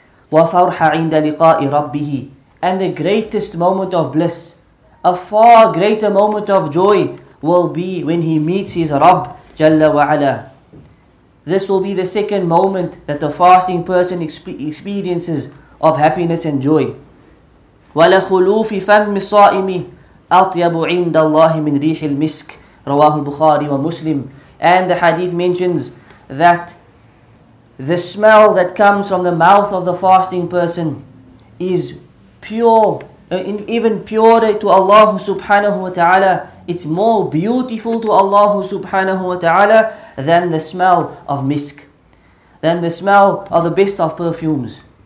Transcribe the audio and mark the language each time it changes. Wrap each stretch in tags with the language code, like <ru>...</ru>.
<ar>وَفَرْحَ عِنْدَ لِقَاءِ رَبِّهِ.</ar> <en>And the greatest moment of bliss, a far greater moment of joy, will be when he meets his Rabb, جَلَّ وَعَلَى. This will be the second moment that the fasting person experiences of happiness and joy.</en> <ar>وَلَخُلُوفِ فَمِّ الصَّائِمِ أَطْيَبُ عِنْدَ اللَّهِ مِنْ رِيحِ الْمِسْكِ رواه البخاري ومسلم.</ar> <en>And the hadith mentions that the smell that comes from the mouth of the fasting person is even purer to Allah subhanahu wa ta'ala. It's more beautiful to Allah subhanahu wa ta'ala than the smell of misk, than the smell of the best of perfumes.</en>